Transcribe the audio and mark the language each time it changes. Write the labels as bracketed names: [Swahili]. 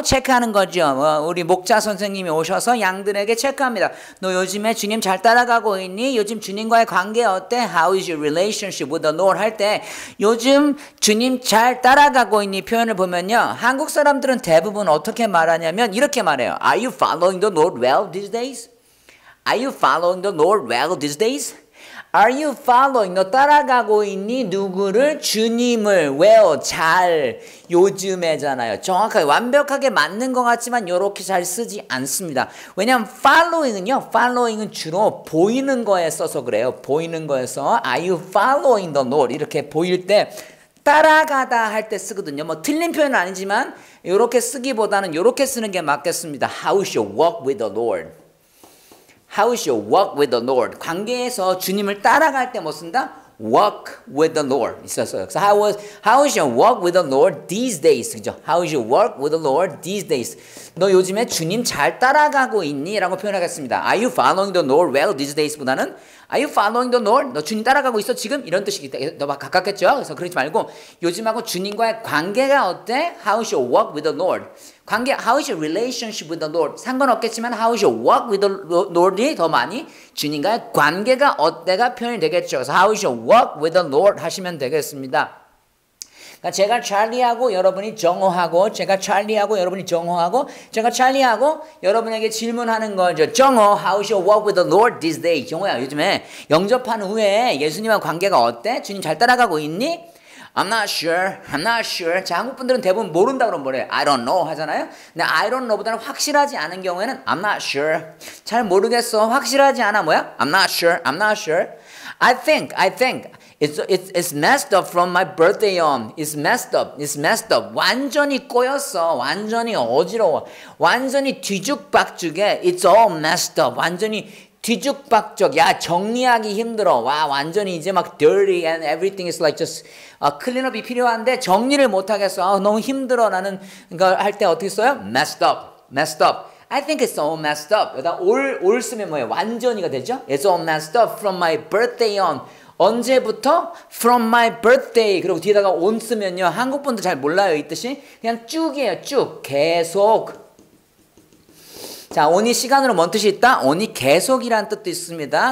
[Korean] 체크하는 거죠. 우리 목자 선생님이 오셔서 양들에게 체크합니다. 너 요즘에 주님 잘 따라가고 있니? 요즘 주님과의 관계 어때? [English] How is your relationship with the Lord? [Korean] 할 때 요즘 주님 잘 따라가고 있니? 표현을 보면요. 한국 사람들은 대부분 어떻게 말하냐면 이렇게 말해요. [English] Are you following the Lord well these days? Are you following the Lord well these days? [Korean] Are you following? 너 따라가고 있니? 누구를? 주님을. Well, 잘. 요즘에잖아요. 정확하게 완벽하게 맞는 것 같지만 이렇게 잘 쓰지 않습니다. 왜냐하면 following은요. following은 주로 보이는 거에 써서 그래요. 보이는 거에서 [English] Are you following the Lord? [Korean] 이렇게 보일 때 따라가다 할 때 쓰거든요. 뭐 틀린 표현은 아니지만 이렇게 쓰기보다는 이렇게 쓰는 게 맞겠습니다. [English] How is your walk with the Lord? How is your walk with the Lord? [Korean] 관계에서 주님을 따라갈 때 뭐 쓴다? [English] Walk with the Lord. 있었어요. So how is your walk with the Lord these days? [Korean] 그죠? [English] How is your walk with the Lord these days? [Korean] 너 요즘에 주님 잘 따라가고 있니? 라고 표현하겠습니다. [English] Are you following the Lord well these days? 보다는 Are you following the Lord? [Korean] 너 주님 따라가고 있어 지금? 이런 뜻이기 때문에 너 막 가깝겠죠? 그래서 그러지 말고 요즘하고 주님과의 관계가 어때? [English] How is your walk with the Lord? 관계, How is your relationship with the Lord? [Korean] 상관없겠지만 How is your walk with the Lord 이 더 많이 주님과의 관계가 어때가 표현이 되겠죠. [English] 그래서 How is your walk with the Lord 하시면 되겠습니다. [Korean] 제가 찰리하고 여러분이 정호하고 제가 찰리하고 여러분이 정호하고 제가 찰리하고 여러분에게 질문하는 거죠. [English] 정호, How is your walk with the Lord these days? [Korean] 정호야, 요즘에 영접한 후에 예수님과 관계가 어때? [English] 주님 잘 따라가고 있니? I'm not sure. I'm not sure. [Korean] 자, 한국 분들은 대부분 모른다 그런 거래. [English] I don't know 하잖아요. 근데 I don't know 보다는 확실하지 않은 경우에는 I'm not sure. 잘 모르겠어. 확실하지 않아. 뭐야? I'm not sure. I'm not sure. I think. It's messed up from my birthday on. It's messed up. It's messed up. [Korean] 완전히 꼬였어. 완전히 어지러워. 완전히 뒤죽박죽해. It's all messed up. 완전히 뒤죽박죽. 야, 정리하기 힘들어. 와, 완전히 이제 막 dirty and everything is like just clean up 이 필요한데 정리를 못하겠어. 아, 너무 힘들어. 나는 그걸 할 때 어떻게 써요? [English] Messed up. Messed up. I think it's all messed up. 여기다 all 쓰면 뭐예요? 완전히가 되죠? It's all messed up from my birthday on. 언제부터? From my birthday. [Korean] 그리고 뒤에다가 on 쓰면요. 한국분도 잘 몰라요. 이 뜻이. 그냥 쭉이에요. 쭉. 계속. 자, on이 시간으로 뭔 뜻이 있다? on이 계속이라는 뜻도 있습니다.